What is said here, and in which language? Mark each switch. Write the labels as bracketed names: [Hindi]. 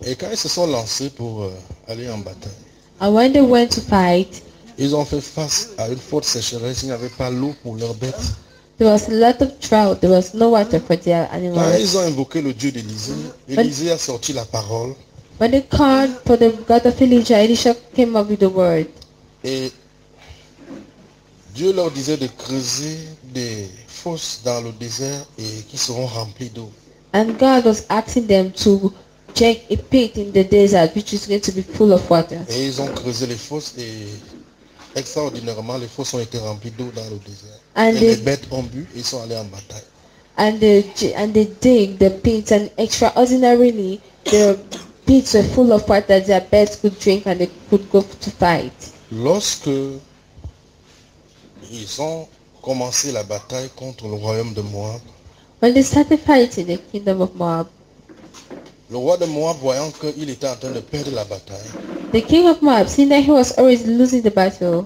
[French] Et quand ils se sont lancés pour aller en bataille, [English] and when they went to fight, [French] ils ont fait face à une forte sécheresse. Il n'y avait pas l'eau pour leurs bêtes. [English] There was a lot of drought. There was no water for their animals. [French] Quand ils ont invoqué le Dieu d'Élisée, Élisée a sorti la parole. [English] When they called for the God of Elijah, Elisha came up with the word. [French] Et Dieu leur disait de creuser des fosses dans le désert et qui seront remplies d'eau. [English] And God was asking them to dig a pit in the desert, which is going to be full of water. [French] Et ils ont creusé les fosses et extraordinairement, les fosses ont été remplies d'eau dans le désert. [English] And [French] et les bêtes ont bu et sont allées en bataille. [English] And they dig the pits and extraordinarily, the pits were full of water. Their bêtes could drink and they could go to fight. [French] Lorsque ils ont commencé la bataille contre le royaume de Moab, [English] when they started fighting the kingdom of Moab, [French] le roi de Moab voyant qu'il était en train de perdre la bataille, [English] the king of Moab, seeing that he was always losing the battle,